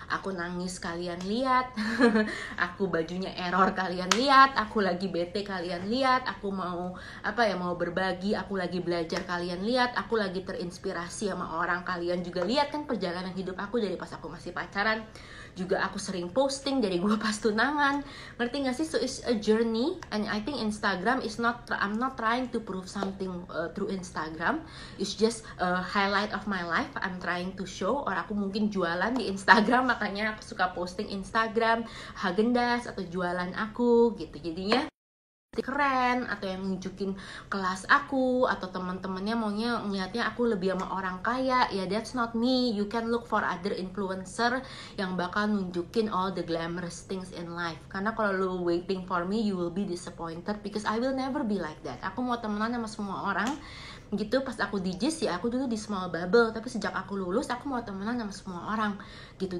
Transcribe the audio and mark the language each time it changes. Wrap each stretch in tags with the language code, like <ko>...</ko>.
<id>Aku nangis kalian lihat. Aku bajunya error kalian lihat. Aku lagi bete kalian lihat. Aku mau apa ya, mau berbagi, aku lagi belajar kalian lihat. Aku lagi terinspirasi sama orang kalian juga lihat kan perjalanan hidup aku dari pas aku masih pacaran. Juga aku sering posting dari gua pas tunangan. Ngerti gak sih?</id> <en>So it's a journey and I think Instagram is not, I'm not trying to prove something through Instagram. It's just a highlight of my life I'm trying to show.</en> <id>Or aku mungkin jualan di Instagram, makanya aku suka posting Instagram Haagen-Dazs atau jualan aku gitu. Jadinya keren, atau yang nunjukin kelas aku, atau teman-temannya maunya ngeliatnya aku lebih sama orang kaya, ya</id> <en>that's not me. You can look for other influencer</en> <id>yang bakal nunjukin</id> <en>all the glamorous things in life.</en> <id>Karena kalau lu</id> <en>waiting for me, you will be disappointed because I will never be like that.</en> <id>Aku mau temenan sama semua orang gitu. Pas aku di JIS ya, aku dulu di</id> <en>small bubble,</en> <id>tapi sejak aku lulus aku mau temenan sama semua orang gitu.</id>